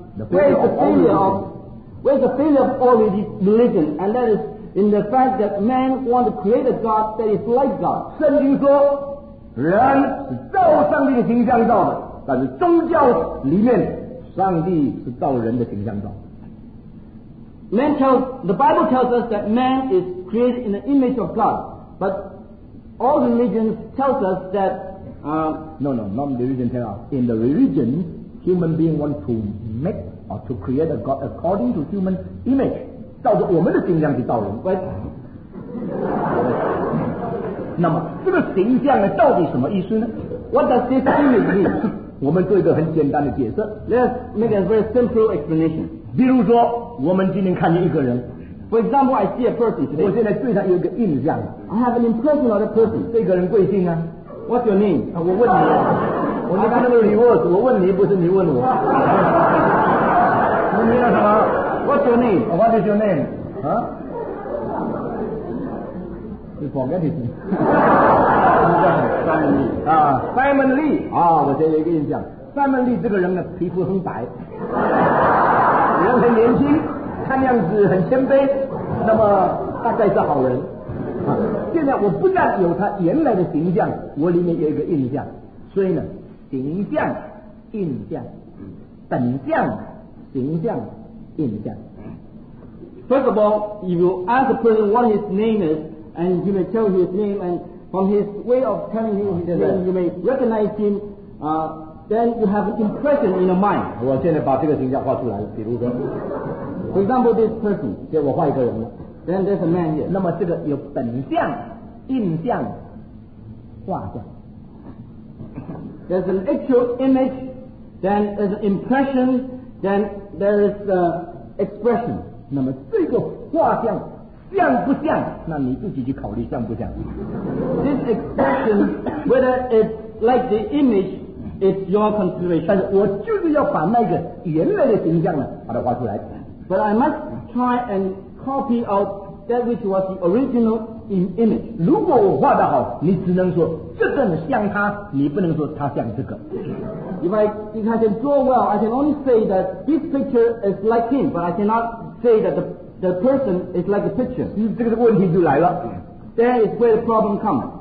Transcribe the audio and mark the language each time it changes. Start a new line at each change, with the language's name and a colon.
English: Where is the failure of all religion? And that is in the fact that man want to create a God that is like God.
Chinese: 圣经说，人是照上帝的形象造的，但是宗教里面。上帝是造人的形象造。
English: The Bible tells us that man is created in the image of God, but all religions tell us that. No, not religion tell us. In the religion, human being want to make or to create a God according to human image，
Chinese: 照着我们的形象去造人。
English: Right.
Chinese: 那么这个形象呢，到底什么意思呢？
English: What does this image mean？
Chinese: 我们做一个很简单的解释。
English: Let's make a very simple explanation。
Chinese: 比如说，我们今天看见一个人。
English: For example, I see a person today.
Chinese: 我现在对他有一个印象。
English: I have an impression of that person。
Chinese: 这个人贵姓啊？
English: What's your name？
Chinese: 啊，我问你，我拿那个 reverse， 我问你，不是你问我。你叫什么
English: ？What's your name？ What is your name？ 啊？
Chinese: 你
English: forget his name？ Simon Lee。
Chinese: 啊 ，Simon Lee。啊，我有一个印象 ，Simon Lee 这个人呢，皮肤很白，人很年轻，看样子很谦卑，那么大概是好人。现在我不但有他原来的形象，我里面有一个印象，所以呢，形象、印象、本相、形象、印象。
English: First of all, if you ask a person what his name is, and you may tell his name, and from his way of telling him his name, you may recognize him, then you have an impression in your mind.
Chinese: 我现在把这个形象画出来了，比如说
English: ，For example, this person.
Chinese: 现在我画一个人了。
English: Then there's a man here.
Chinese: 那么这个有本相、印象、画像。
English: There's an actual image, then there's an impression, then there's an expression.
Chinese: 那么这个画像像不像？那你自己去考虑像不像。
English: This expression, whether it's like the image, it's your consideration.
Chinese: 但是我就是要把那个原来的形象呢，把它画出来。
English: But I must try and copy of that which was the original in image.
Chinese: 如果我画得好，你只能说这个呢像他，你不能说他像这个。
English: If I can draw well, I can only say that this picture is like him, but I cannot say that the person is like the picture.
Chinese: 这个问题就来了。
English: There is where the problem comes.